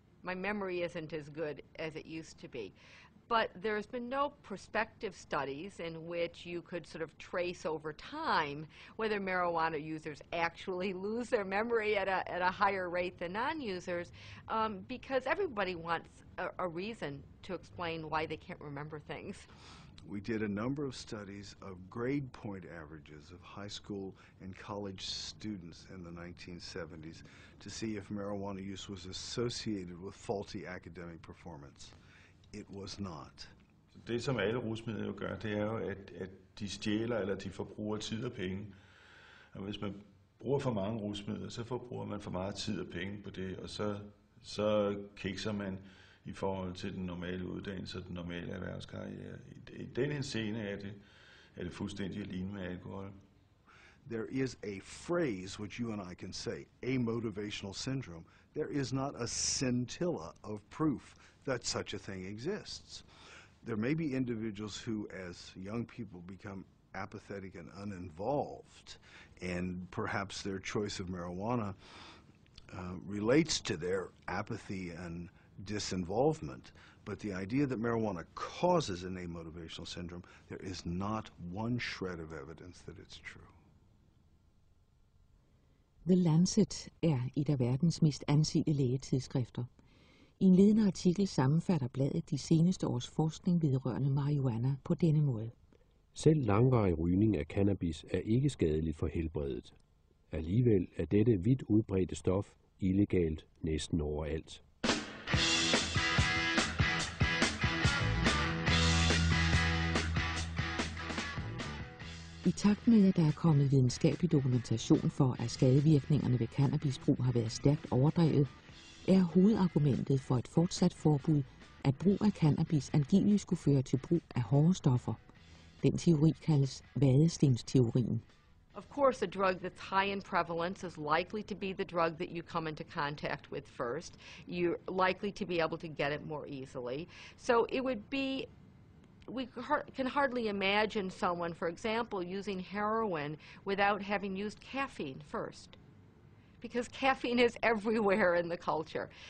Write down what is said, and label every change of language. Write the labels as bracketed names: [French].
[English] My memory isn't as good as it used to be. But there's been no prospective studies in which you could sort of trace over time whether marijuana users actually lose their memory at a higher rate than non-users, because everybody wants a reason to explain why they can't remember things. We did a number of studies of grade point averages of high school and college students in the 1970s to see if marijuana use was associated with faulty academic performance. It was not. [Danish] Det som alle rusmidler jo gør, det er jo, at de stjæler eller de forbruger tid og penge. Og hvis man bruger for mange rusmidler, så forbruger man for meget tid og penge på det, og så kikser man i forhold til den normale uddannelse og den normale erhvervskarriere. I den her scene er det fuldstændig at ligne med alkohol. [English] there is a phrase which you and I can say, a motivational syndrome. There is not a scintilla of proof that such a thing exists. There may be individuals who, as young people, become apathetic and uninvolved, and perhaps their choice of marijuana relates to their apathy and disinvolvement. But the idea that marijuana causes innate motivational syndrome, there is not one shred of evidence that it's true. [Danish] The Lancet er et af verdens mest ansete lægetidsskrifter. I en ledende artikel sammenfatter bladet de seneste års forskning vedrørende marihuana på denne måde. Selv langvarig rygning af cannabis er ikke skadeligt for helbredet. Alligevel er dette vidt udbredte stof illegalt næsten overalt. I takt med, at der er kommet videnskabelig dokumentation for, at skadevirkningerne ved cannabisbrug har været stærkt overdrevet, er hovedargumentet for et fortsat forbud, at brug af cannabis angiveligt skulle føre til brug af hårde stoffer. Den teori kaldes vadestensteorien. [English] Of course, a drug that's high in prevalence is likely to be the drug that you come into contact with first. You're likely to be able to get it more easily. So it would be, we can hardly imagine someone, for example, using heroin without having used caffeine first, because caffeine is everywhere in the culture.